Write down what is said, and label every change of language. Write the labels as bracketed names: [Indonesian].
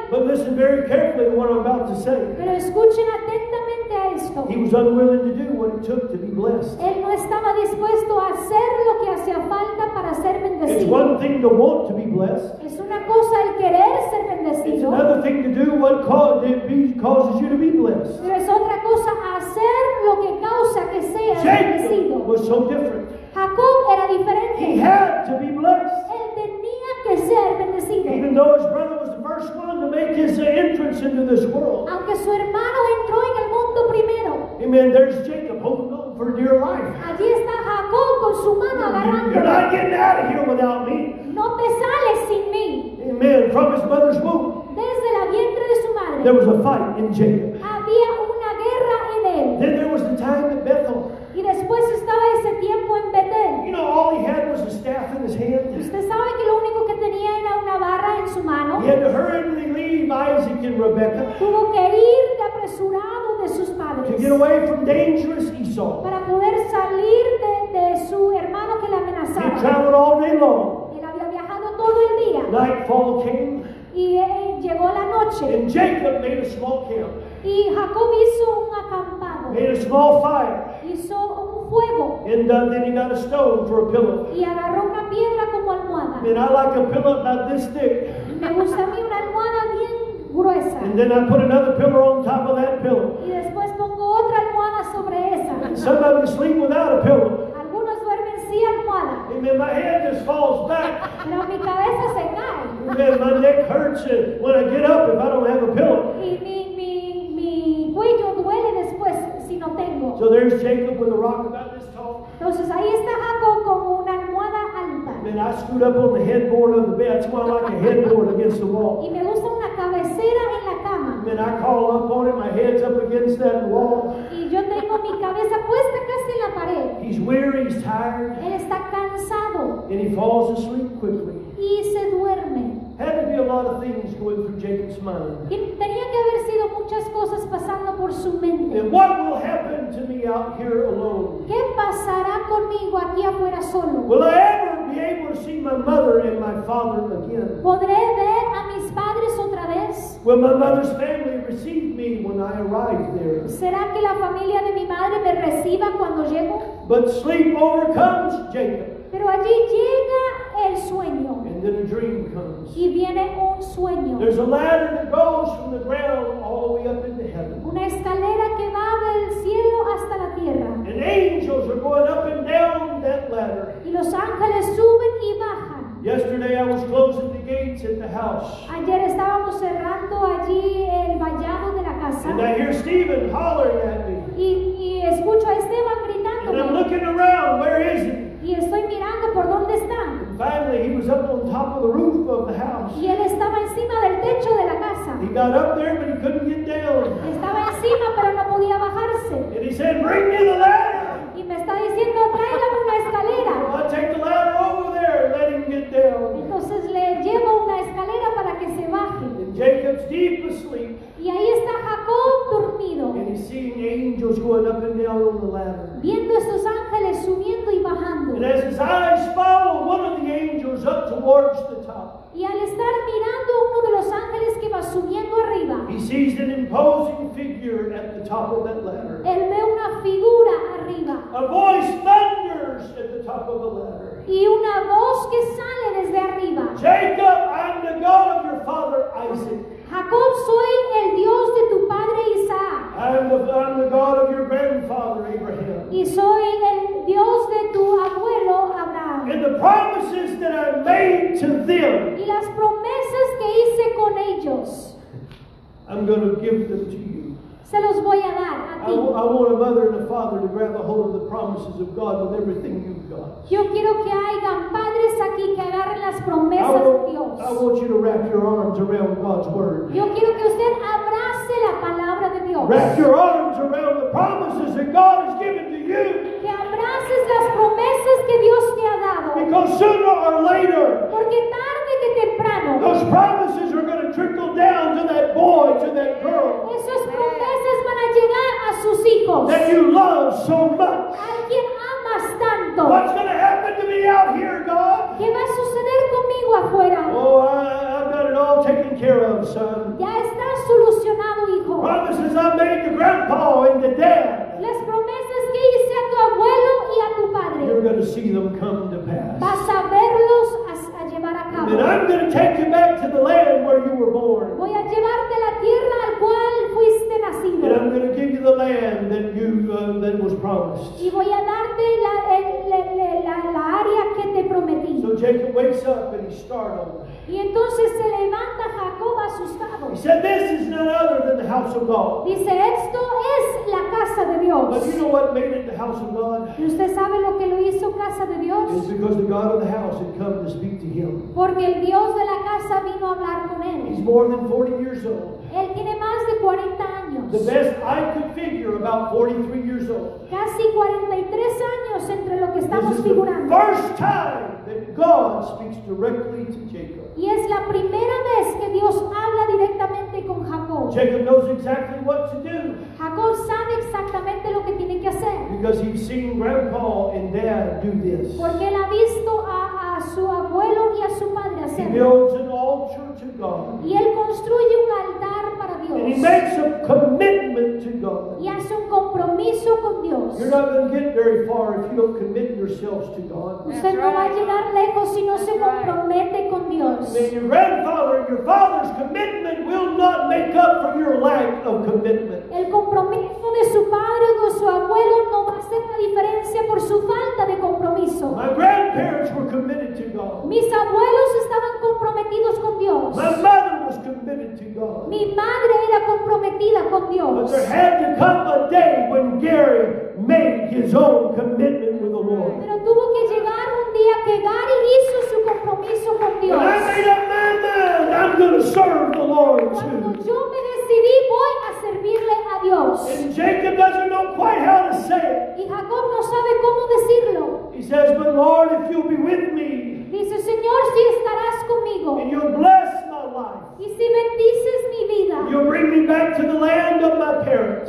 [English] But listen very carefully to what I'm about to say. [Spanish] Pero escuchen atentamente a esto. [English] He was unwilling to do what it took to be blessed. [Spanish] Él no estaba dispuesto a hacer lo que hacía falta para ser bendecido. [English] It's one thing to want to be blessed. [Spanish] Es una cosa el querer ser bendecido. [English] It's another thing to do what causes you to be blessed. [Spanish] Pero es otra cosa hacer lo que causa que seas Jacob bendecido. [English] Was so different. [Spanish] Ja- Jacob era diferente. [English] He had to be blessed. [Spanish] Él tenía que ser bendecido. [English] Even though his brother was the first one to make his entrance into this world. [Spanish] Aunque su hermano entró en el mundo primero. [English] Amen. There's Jacob holding on for dear life. [Spanish] Allí está Jacob con su mano agarrando. [English] You're not getting out of here without me. [Spanish] No te sales sin mí. [English] Amen. From his mother's womb. [Spanish] Desde la vientre de su madre. [English] There was a fight in Jacob. [Spanish] Había una guerra en él. [English] Then there was the time in Bethel. [Spanish] Y después estaba ese tiempo en Betel. [English] You know, all he had was a staff in his hand. [Spanish] ¿Usted sabe que lo único que tenía era una barra en su mano? [English] He had to hurriedly leave Isaac and Rebekah. [Spanish] Tuvo que ir de apresurado de sus padres. [English] To get away from dangerous Esau. [Spanish] Para poder salir de su hermano que le amenazaba. [English] He traveled all day long. [Spanish] Él había viajado todo el día. [English] Nightfall came. [Spanish] Y llegó la noche. [English] And Jacob made a small camp. [Spanish] Y Jacob hizo un acampado. [English] Made a small fire. [Spanish] Hizo un fuego. [English] And then he got a stone for a pillow. [Spanish] Y agarró una piedra como almohada. [English] And I like a pillow about this thick. [Spanish] Me gusta a mí una almohada bien gruesa. [English] And then I put another pillow on top of that pillow. [Spanish] Y después pongo otra almohada sobre esa. [English] And some of them sleep without a pillow. [Spanish] Algunos duermen sin almohada. [English] And then my head just falls back. [Spanish] Pero mi cabeza se cae. [English] Man, my neck hurts when I get up if I don't have a pillow. [Spanish] Mi cuello duele después si no tengo. [English] So there's Jacob with a rock about this tall. [Spanish] Entonces ahí está Jacob con una almohada alta. [English] Man, I screwed up on the headboard of the bed. That's why I like a headboard against the wall. [Spanish] Y me gusta una cabecera en la cama. [English] Man, I call up on it. My head's up against that wall. [Spanish] Y yo tengo mi cabeza puesta casi en la pared. [English] He's weary. He's tired. [Spanish] Él está cansado. [English] And he falls asleep quickly. [Spanish] Y se duerme. [English] Had to be a lot of things going through Jacob's mind. [Spanish] Tenía que haber sido muchas cosas pasando por su mente. [English] And what will happen to me out here alone? [Spanish] ¿Qué pasará conmigo aquí afuera solo? [English] Will I ever be able to see my mother and my father again? [Spanish] ¿Podré ver a mis padres otra vez? [English] Will my mother's family receive me when I arrive there? [Spanish] ¿Será que la familia de mi madre me reciba cuando llego? [English] But sleep overcomes Jacob. [Spanish] Pero allí llega el sueño. [English] And then a dream comes. [Spanish] Y viene un sueño. [English] There's a ladder that goes from the ground all the way up into heaven. [Spanish] Una escalera que va del cielo hasta la tierra. [English] And angels are going up and down that ladder. [Spanish] Y los ángeles suben y bajan. [English] Yesterday I was closing the gates in the house. [Spanish] Ayer estábamos cerrando allí el vallado de la casa. [English] And I hear Stephen hollering at me. [Spanish] Y escucho a Esteban gritando. [English] And I'm looking around, where is he? [Spanish] Y estoy mirando por dónde está. [English] Finally, he was up on top of the roof of the house. [Spanish] Y él estaba encima del techo de la casa. [English] He got up there, but he couldn't get down. [Spanish] Estaba encima, pero no podía bajarse. [English] And he said, bring me the ladder. [Spanish] Y me está diciendo, tráigame una escalera. [English] I'll take the ladder over there and let him get down. [Spanish] Entonces le llevo una escalera para que se baje. [English] And Jacob's deep asleep. [Spanish] Y ahí está Jacob dormido. [English] And he's seeing angels going up and down on the ladder. [Spanish] Viendo estos ángeles subiendo y bajando. [English] And as his eyes follow one of the angels up towards the top. [Spanish] Y al estar mirando uno de los ángeles que va subiendo arriba. [English] He sees an imposing figure at the top of that ladder. [Spanish] Él ve una figura arriba. [English] A voice thunders at the top of the ladder. [Spanish] Y una voz que sale desde arriba. [English] Jacob, I'm the God of your father Isaac. [Spanish] Jacob, soy el Dios de tu padre Isaac. [English] I'm the God of your grandfather Abraham. [Spanish] Y soy el Dios de tu abuelo Abraham. [English] And the promises that I made to them. [Spanish] Y las promesas que hice con ellos. [English] I'm going to give them to you. [Spanish] Se los voy a dar a ti. [English] I want a mother and a father to grab a hold of the promises of God with everything you've got. [Spanish] Yo quiero que hayan padres aquí que agarren las promesas de Dios. [English] I want you to wrap your arms around God's word. [Spanish] Yo quiero que usted abrace la palabra de Dios. [English] Wrap your arms around the promises that God has given to you. [Spanish] Que abraces las promesas que Dios te ha dado. [English] Because sooner or later. [Spanish] Porque tarde que temprano. [English] Those promises are going to trickle down to that boy, to that girl. [Spanish] Esas promesas van a llegar a sus hijos. [English] That you love so much. [Spanish] Tanto. [English] What's going to happen to me out here, God? [Spanish] ¿Qué va a suceder conmigo afuera? [English] Oh, I've got it all taken care of, son. [Spanish] Ya está solucionado, hijo. [English] Promises I made to grandpa and to dad. [Spanish] Las promesas que hice a tu abuelo y a tu padre. [English] You're going to see them come to pass. [Spanish] Vas a verlos a llevar a cabo. [English] And then I'm going to take you back to the land where you were born. [Spanish] Voy a llevarte la tierra al cual fuiste nacido. [English] And I'm going to give you the land that was promised. [Spanish] Y voy a darte la [English] Jacob wakes up and he's startled. [Spanish] Y entonces se levanta Jacob asustado. [English] He said, "This is none other than the house of God." [Spanish] Dice, esto es la casa de Dios. [English] But you know what made it the house of God? [Spanish] ¿Y usted sabe lo que lo hizo casa de Dios? [English] It's because the God of the house had come to speak to him. [Spanish] Porque el Dios de la casa vino a hablar con él. [English] He's more than 40 years old. [Spanish] Él tiene más de 40 años. [English] The best I could figure, about 43 years old. [Spanish] Casi 43 años entre lo que estamos figurando. [English] This is the first time that God speaks directly to Jacob. [Spanish] Y es la primera vez que Dios habla directamente con Jacob. [English] Jacob knows exactly what to do. [Spanish] Jacob sabe exactamente lo que tiene que hacer. [English] Because he's seen grandpa and dad do this. [Spanish] Porque él ha visto a su abuelo y a su padre hacerlo. [English] He builds an altar to God. [Spanish] Y él construye un altar para Dios. [English] And he makes a commitment to God. [Spanish] Y hace un compromiso con Dios. [English] You're not going to get very far if you don't commit yourselves to God. [Spanish] Usted no va a llegar lejos si no se compromete con Dios. [English] Then your grandfather and your father's commitment will not make up for your lack of commitment. [Spanish] El compromiso de su padre o su abuelo no va a hacer la diferencia por su falta de compromiso. [English] My grandparents were committed to God. [Spanish] Mis abuelos estaban comprometidos con Dios. [English] My mother was committed to God. [Spanish] Mi madre era comprometida con Dios. [English] But there had to come a day when Gary made his own commitment with the Lord. [Spanish] Pero tuvo que llegar un día que Gary hizo su compromiso con Dios. [English] But I made up my mind, I'm going to serve the Lord too. [Spanish] Yo me decidí, voy a servirle a Dios. [English] And Jacob doesn't know quite how to say it. [Spanish] Y Jacob no sabe cómo decirlo. [English] He says, "But Lord, if you'll be with me." [Spanish] Dice, Señor, si estarás conmigo. [English] And you'll bless my life. [Spanish] Y si bendices mi vida. [English] You'll bring me back to the land of my parents.